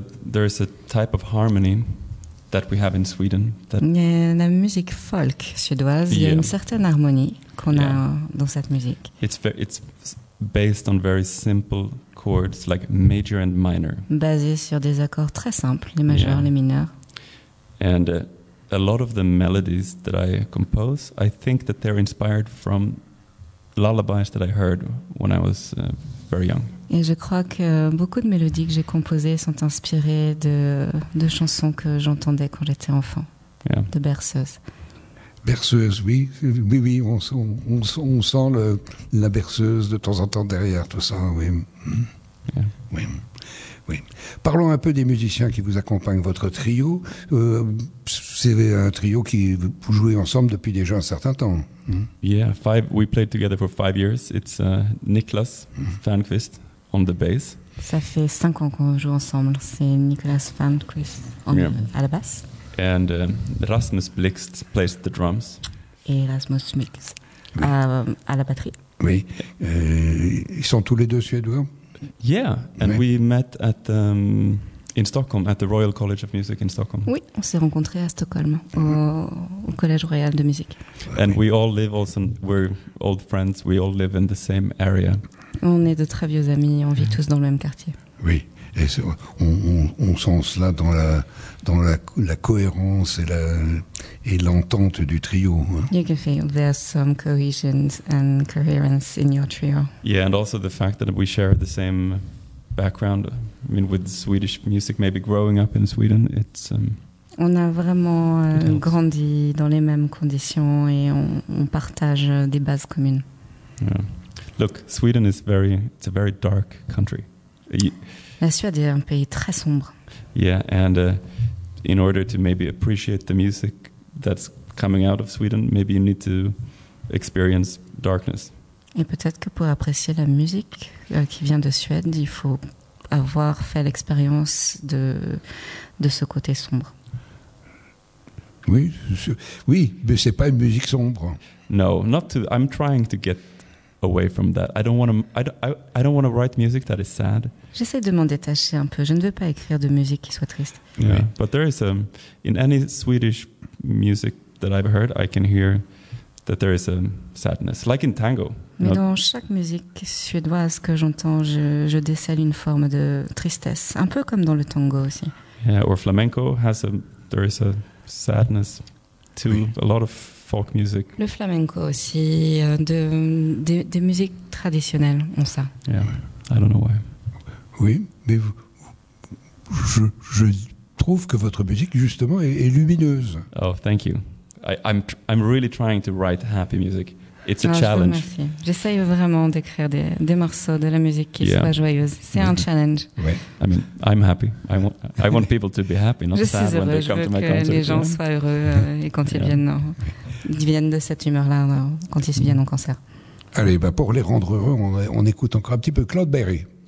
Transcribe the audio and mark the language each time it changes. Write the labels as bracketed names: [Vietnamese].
[English] There is a type of harmony that we have in Sweden. That [French] la musique folk suédoise, il y a une certaine harmonie qu'on a dans cette musique. [English] It's based on very simple chords, like major and minor. [French] Basé sur des accords très simples, les majeurs, les mineurs. [English] And a lot of the melodies that I compose, I think that they're inspired from lullabies that I heard when I was very young. [French] Et je crois que beaucoup de mélodies que j'ai composées sont inspirées de chansons que j'entendais quand j'étais enfant, de berceuses. Berceuses, oui. Oui, on sent la berceuse de temps en temps derrière tout ça, oui. [English] Yeah. [French] Oui. Oui. Parlons un peu des musiciens qui vous accompagnent, votre trio. C'est un trio qui vous jouez ensemble depuis déjà un certain temps. [English] Mm. Yeah, five. We played together for 5 years. It's Niklas Fernqvist on the bass. [French] Ça fait 5 ans qu'on joue ensemble. C'est Niklas Fernqvist à la basse. [English] And Rasmus Blix plays the drums. [French] Et Rasmus Blix à la batterie. Oui. Ils sont tous les deux suédois. [English] Yeah, and we met at in Stockholm at the Royal College of Music in Stockholm. [French] Oui, on s'est rencontrés à Stockholm au Collège Royal de Musique. [English] And we all live also we're old friends. We all live in the same area. [French] On est de très vieux amis. On vit tous dans le même quartier. Oui, et on sent cela dans la cohérence et l'entente du trio. [English] You can feel there's some cohesion and coherence in your trio. Yeah, and also the fact that we share the same background. I mean, with Swedish music, maybe growing up in Sweden, it's. [French] On a vraiment grandi dans les mêmes conditions et on partage des bases communes. [English] Yeah. Look, Sweden is very. It's a very dark country. [French] La Suède est un pays très sombre. [English] Yeah, and in order to maybe appreciate the music that's coming out of Sweden, maybe you need to experience darkness. [French] Et peut-être que pour apprécier la musique qui vient de Suède, il faut avoir fait l'expérience de ce côté sombre. Oui, oui, mais c'est pas une musique sombre. [English] No, not to. I'm trying to get away from that. I don't want to write music that is sad. [French] J'essaie de m'en détacher un peu. Je ne veux pas écrire de musique qui soit triste. [English] Yeah, but there is in any Swedish music that I've heard, I can hear that there is a sadness, like in tango. [French] Mais dans chaque musique suédoise que j'entends, je décèle une forme de tristesse, un peu comme dans le tango aussi. [English] Yeah, or flamenco has there is a sadness to a lot of folk music. [French] Le flamenco aussi, de musiques traditionnelles ont ça. [English] Yeah, I don't know why. [French] Oui, mais je trouve que votre musique justement est lumineuse. [English] Oh, thank you. I'm really trying to write happy music. It's a challenge. [French] Merci. J'essaie vraiment d'écrire des morceaux de la musique qui soit joyeuse. C'est un challenge. Oui. [English] I mean, I'm happy. I want people to be happy, not sad when they come to my concert. [French] Je suis heureux que les gens soient heureux et quand ils viennent de cette humeur-là, quand ils viennent en concert. Allez, bah pour les rendre heureux, on écoute encore un petit peu Claude Berry.